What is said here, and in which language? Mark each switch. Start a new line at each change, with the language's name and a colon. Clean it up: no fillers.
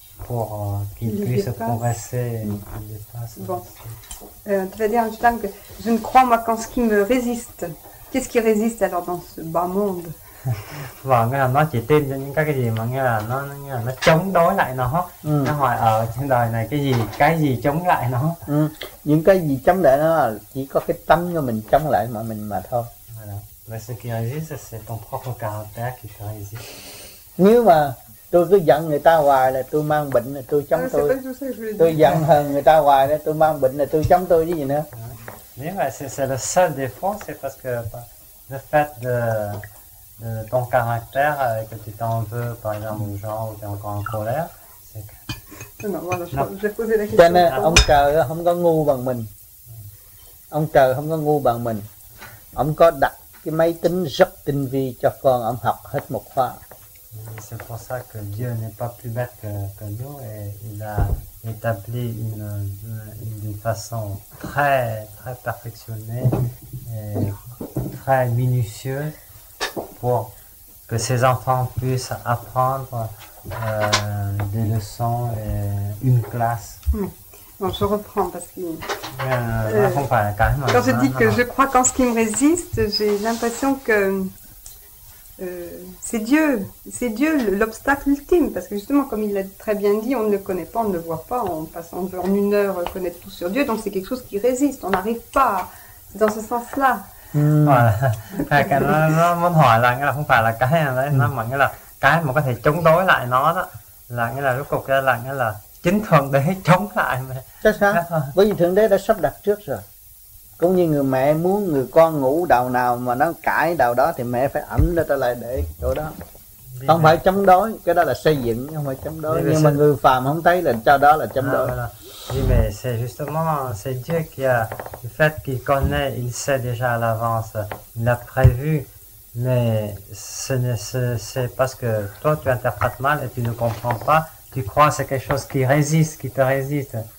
French: Pour qu'il puisse progresser. Bon. Tu vas dire, Einstein, que je ne crois moi qu'en ce qui me résiste. Qu'est-ce qui résiste alors dans ce bas monde?
Vietnamese: Vâng, nghĩa là nó chỉ tin những cái gì mà nghĩa là nó chống đối lại nó. Ừ. Nó hỏi ở trên đời này cái gì chống lại nó. Ừ. Những cái gì chống lại nó là chỉ có cái tâm của mình chống lại mà mình mà thôi.
French: Mais ce qui résiste, c'est ton propre caractère qui te résiste.
Vietnamese: Nếu mà tôi cứ giận người ta hoài là tôi mang bệnh là tôi chống tôi. Tôi giận hờn người ta hoài là tôi mang bệnh là tôi chống tôi chứ gì nữa. Nếu mà
French: c'est le seul défaut, c'est parce que le fait de ton caractère, que tu t'en veux, par exemple, aux gens, ou t'es encore en colère, c'est que...
Vietnamese: Cho nên, ông trời không có ngu bằng mình. Ông trời không có ngu bằng mình. Ông có đặt cái máy tính rất tinh vi cho con, ông học hết một khóa.
French: C'est pour ça que Dieu n'est pas plus bête que nous et il a établi une façon très très perfectionnée et très minutieuse pour que ses enfants puissent apprendre des leçons et une classe. Bon, je reprends parce que quand je dis que je crois qu'en ce qui me résiste, j'ai l'impression que c'est Dieu l'obstacle ultime, parce que justement, comme il l'a très bien dit, on ne le connaît pas, on ne le voit pas, on passe en dehors d'une heure connaître tout sur Dieu, donc c'est quelque chose qui résiste, on n'arrive pas dans ce sens-là.
Vietnamese: Nó muốn hỏi là nghĩa là không phải là cái đấy, nó mà nghĩa là cái mà có thể chống đối lại nó đó, là nghĩa là rốt cuộc là nghĩa là chính thượng đế chống lại mà. Chắc chắn. Bởi vì thượng đế đã sắp đặt trước rồi. Cũng như người mẹ muốn người con ngủ đầu nào mà nó cãi đầu đó thì mẹ phải ẩm nó ra lại để chỗ đó. Không phải chống đối, cái đó là xây dựng, không phải chống đối. Nhưng mà người phàm không thấy là cho đó là chống đối.
French: Oui, mais c'est justement, c'est Dieu qui a, le fait qu'il connaît, il sait déjà à l'avance, il l'a prévu, mais c'est parce que toi tu interprètes mal et tu ne comprends pas, tu crois que c'est quelque chose qui résiste, qui te résiste.